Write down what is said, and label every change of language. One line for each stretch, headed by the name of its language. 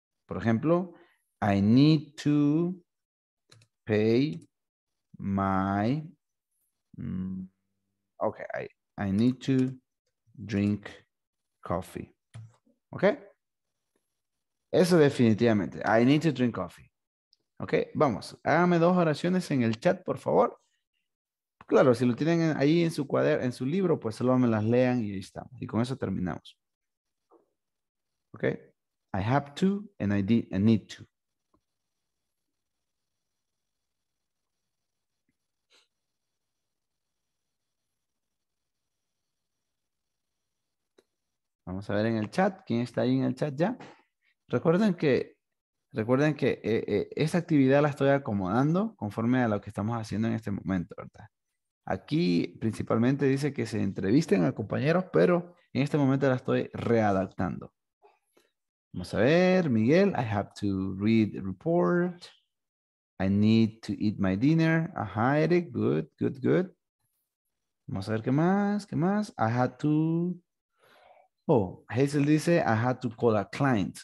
Spanish: Por ejemplo,
English: I need to pay my, ok, I need to drink coffee. ¿Ok?
Spanish: Eso definitivamente,
English: I need to drink coffee. ¿Ok?
Spanish: Vamos, háganme dos oraciones en el chat, por favor. Claro, si lo tienen ahí en su cuaderno, en su libro, pues solo me las lean y ahí estamos. Y con eso terminamos. ¿Ok?
English: I have to and I did and need to.
Spanish: Vamos a ver en el chat. ¿Quién está ahí en el chat ya? Recuerden que esta actividad la estoy acomodando conforme a lo que estamos haciendo en este momento, ¿verdad? Aquí principalmente dice que se entrevisten a compañeros, pero en este momento la estoy readaptando. Vamos a ver,
English: Miguel, I have to read the report. I need to eat my dinner. Ajá, Eric, good, good, good.
Spanish: Vamos a ver qué más, qué más.
English: I had to, oh, Hazel dice, I had to call a client.